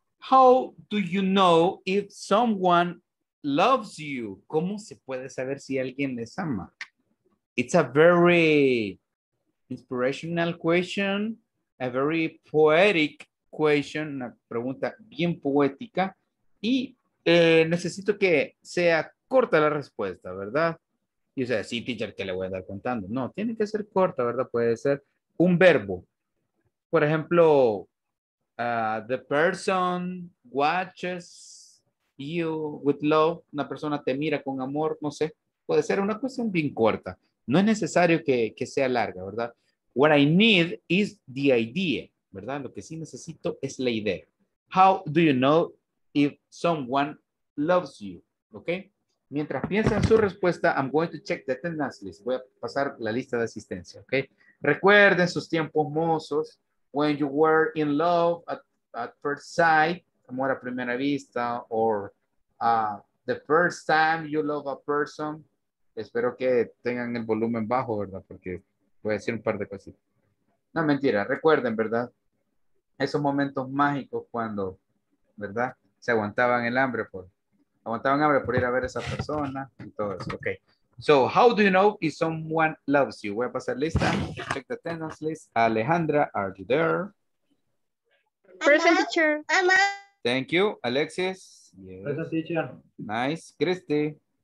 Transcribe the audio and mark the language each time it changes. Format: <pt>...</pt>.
<en>How do you know if someone loves you?</en> <es>¿Cómo se puede saber si alguien les ama?</es> <en>It's a very inspirational question, a very poetic question,</en> <es>una pregunta bien poética y necesito que sea corta la respuesta, ¿verdad? Y usted, sí, teacher, ¿qué le voy a andar contando? No, tiene que ser corta, ¿verdad? Puede ser un verbo. Por ejemplo,</es> <en>the person watches you with love.</en> <es>Una persona te mira con amor, no sé. Puede ser una cuestión bien corta. No es necesario que sea larga, ¿verdad?</es> <en>What I need is the idea,</en> <es>¿verdad? Lo que sí necesito es la idea.</es> <en>How do you know if someone loves you, okay?</en> <es>Mientras piensan su respuesta,</es> <en>I'm going to check the attendance list.</en> <es>Voy a pasar la lista de asistencia, okay? Recuerden sus tiempos mozos,</es> <en>when you were in love at first sight,</en> <es>amor a primera vista,</es> <en>or the first time you love a person.</en> <es>Espero que tengan el volumen bajo, ¿verdad? Porque voy a decir un par de cositas. No, mentira, recuerden, ¿verdad? Esos momentos mágicos cuando, ¿verdad? Se aguantaban el hambre por ir a ver a esa persona y todo eso.</es> <en>Okay. So, how do you know if someone loves you?</en> <es>Voy a pasar lista.</es> <en>Check the attendance list. Alejandra, are you there? Present teacher. I'm Thank you. Alexis. Yes. Present teacher. Nice. Christy.</en>